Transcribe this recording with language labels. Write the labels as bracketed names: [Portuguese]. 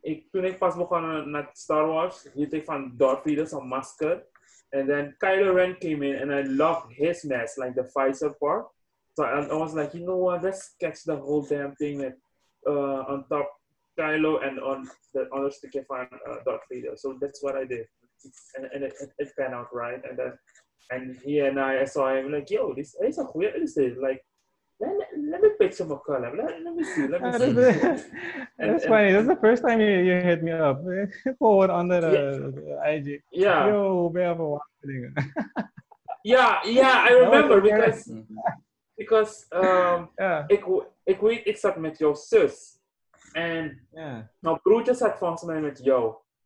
[Dutch] Toen ik pas begon naar Star Wars, hield ik van Darth Vader zijn masker. En dan [English] Kylo Ren came in and I loved his mask, like the visor part. So I was like, you know what, let's catch the whole damn thing with on top Kylo and on the other sticker van Darth Vader. So that's what I did. And it panned out, right? And then and he and I saw him like, yo, this is a weird illustrator. Like, let me pitch him a collab. Let me see. That's funny. That's the first time you hit me up. Forward on the IG. Yeah. Yo, we have a one thing. Yeah. I remember because [Dutch] ik zat met jouw zus. [English] And now Brutus had found something with yo.